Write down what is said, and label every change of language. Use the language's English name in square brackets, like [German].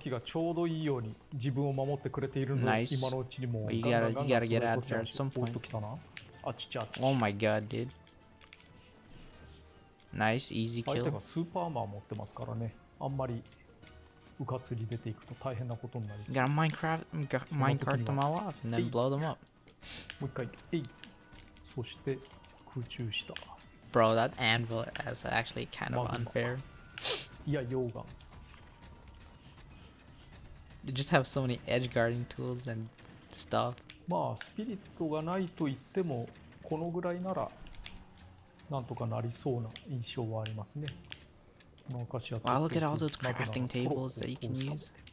[Japanese] ガンガンガンガンガンガンガンガンガンガンガンガンガンガンガンいや、溶岩。 [English] They just have so many edge guarding tools and stuff. [Japanese] まあ、スピリットがないと言っても、このぐらいなら、なんとかなりそうな印象はありますね。このアカシア [English] と、look at all those crafting tables that you can use.